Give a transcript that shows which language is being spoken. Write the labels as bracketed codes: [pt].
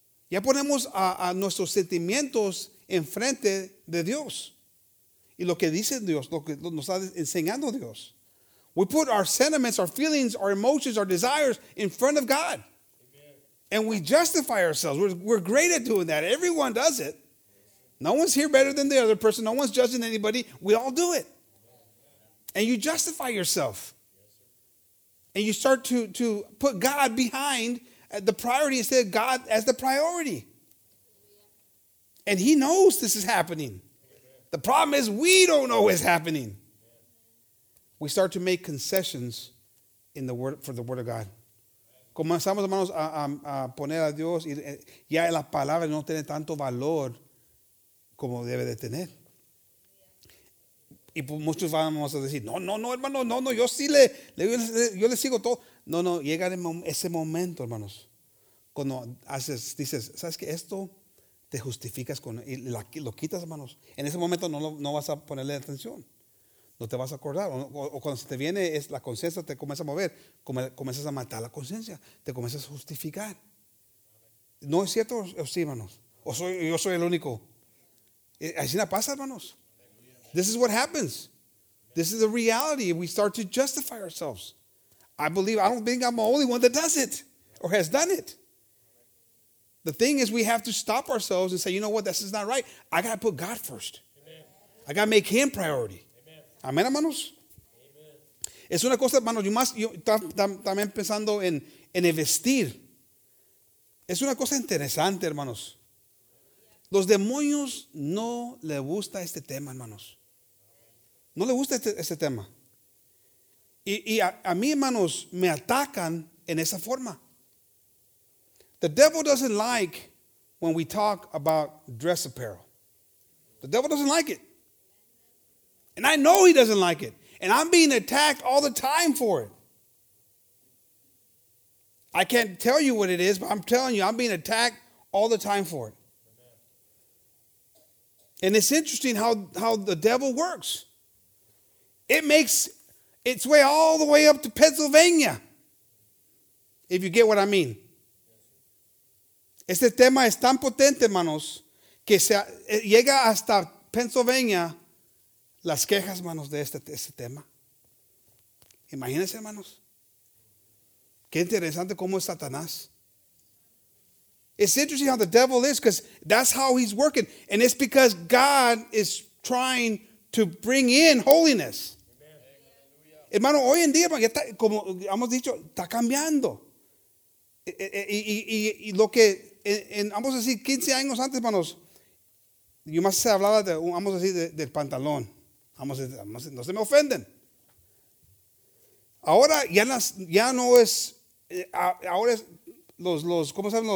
[es] Ya ponemos a nuestros sentimientos enfrente de Dios. Y lo que dice Dios, lo que nos está enseñando Dios. [en] We put our sentiments, our feelings, our emotions, our desires in front of God. And we justify ourselves. We're great at doing that. Everyone does it. No one's here better than the other person. No one's judging anybody. We all do it. And you justify yourself. And you start to put God behind the priority instead of God as the priority. And he knows this is happening. The problem is we don't know what's happening. We start to make concessions in the word for the word of God. [es] Comenzamos, hermanos, a poner a Dios y ya la palabra no tiene tanto valor como debe de tener. Y muchos vamos a decir, no, hermano, no, yo sí le sigo todo. No, llega ese momento, hermanos, cuando haces, dices, ¿sabes qué? Esto te justificas con, y lo quitas, hermanos. En ese momento no vas a ponerle atención. No te vas a acordar. O cuando se te viene, es la conciencia te comienza a mover. Comienzas a matar la conciencia. Te comienzas a justificar. ¿No es cierto? O sí, hermanos. Yo soy el único. Así la pasa, hermanos. [en] This is what happens. This is the reality. We start to justify ourselves. I don't think I'm the only one that does it or has done it. The thing is, we have to stop ourselves and say, you know what, this is not right. I got to put God first. Amen. I got to make Him priority. [es] Amén, hermanos. Amen. Es una cosa, hermanos, también pensando en el vestir. Es una cosa interesante, hermanos. Los demonios no le gusta este tema, hermanos. No le gusta este tema. Y a mí, hermanos, me atacan en esa forma. [en] The devil doesn't like when we talk about dress apparel. The devil doesn't like it. And I know he doesn't like it. And I'm being attacked all the time for it. I can't tell you what it is, but I'm telling you, I'm being attacked all the time for it. And it's interesting how the devil works. It makes its way all the way up to Pennsylvania, if you get what I mean. [es] Este tema es tan potente, hermanos, que llega hasta Pennsylvania las quejas, hermanos, de este tema. Imagínense, hermanos. Qué interesante cómo es Satanás. [en] It's interesting how the devil is, because that's how he's working. And it's because God is trying to bring in holiness. [es] Hermano, hoy en día, ya está, como hemos dicho, está cambiando. Y lo que, vamos a decir, 15 años antes, hermanos, yo más se hablaba, del pantalón. No se me ofenden. Ahora ya no es, ahora es los ¿cómo se llaman?